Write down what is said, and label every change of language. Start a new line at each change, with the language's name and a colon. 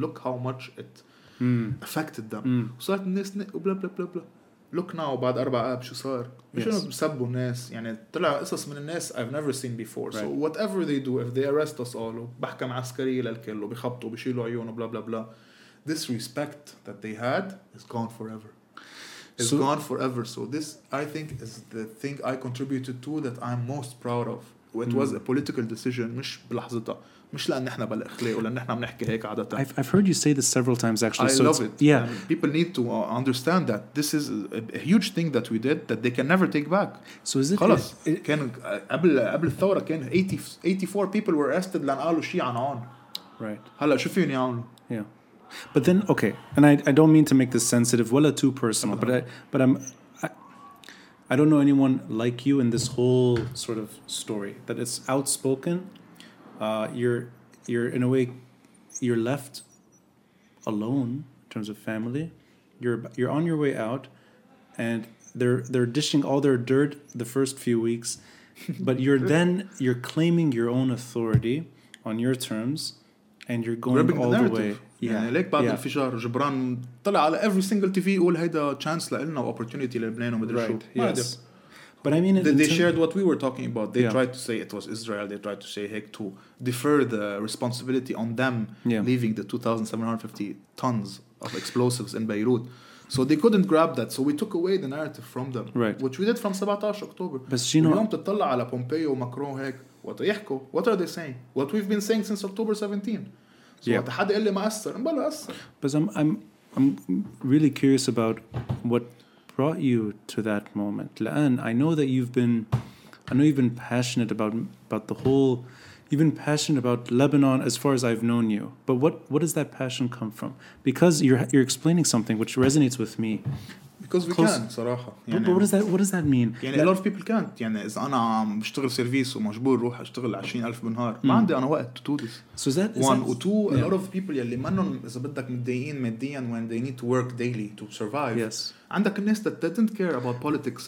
English: Look how much it affected them.
Arabic: وصارت الناس بلا بلا
English: بلا بلا. Look now
Arabic: بعد أربع أب شو صار. مش أنه بسبوا الناس يعني طلع قصص من الناس
English: I've never seen before. Right. So whatever they do, if they arrest us all,
Arabic: بحكم عسكري للكل وبيخبطوا بيشيلوا عيونه بلا بلا
English: بلا. This respect that they had is gone forever. It's so, gone forever. So this, I think, is the thing I contributed to that I'm most proud of. It was a political decision,
Arabic: مش بلحظتها. مش لأن احنا بالإخلاق ولأن احنا بنحكي هيك عادة.
English: I've heard you say this several times, actually. I love it. Yeah. People need to understand that this is a huge thing that we did that they can never take back. So is it...
Arabic: خلص. كان قبل الثورة كان
English: 84 people were arrested
Arabic: لأن قالوا شي عن عون.
English: Right.
Arabic: هلأ شو فيهم يعون.
English: Yeah. But then, okay. And I don't mean to make this sensitive.
Arabic: ولا
English: too personal. But I don't know anyone like you in this whole sort of story that it's outspoken. You're in a way, you're left alone in terms of family. You're on your way out, and they're dishing all their dirt the first few weeks, but you're claiming your own authority on your terms, and you're going ripping all the way.
Arabic: يعني ليك بعد الانفجار جبران طلع على
English: every single TV
Arabic: يقول هيدا chance لإلنا و opportunity للبنان ومدري
English: right. yes. But I mean, they shared what we were talking about. They tried to say it was Israel. They tried to say heck to defer the responsibility on them leaving the 2,750 tons of explosives in Beirut. So they couldn't grab that. So we took away the narrative from them. Right. Which we did from 17 October.
Arabic: بس جينو اليوم تطلع على بومبيو ومكرون هيك وتيحكوا.
English: What are they saying? What we've been saying since October 17.
Arabic: حد قال لي ما أثر. بلا أثر. بس
English: I'm really curious about what brought you to that moment.
Arabic: لأن
English: I know you've been passionate about the whole, you've been passionate about Lebanon as far as I've known you. But what does that passion come from? Because you're explaining something which resonates with me. Because we can,
Arabic: صراحة. يعني
English: but what does that mean?
Arabic: يعني
English: a lot of people can't.
Arabic: يعني إذا أنا عم بشتغل سيرفيس ومجبور روح أشتغل 20,000 بالنهار ما عندي أنا وقت
English: to do this. So is that one is that, or two? Yeah. A lot of people
Arabic: يلي منهم إذا بدك متضايقين ماديًا
English: when they need to work daily to survive. Yes.
Arabic: عندك الناس
English: that didn't care about politics.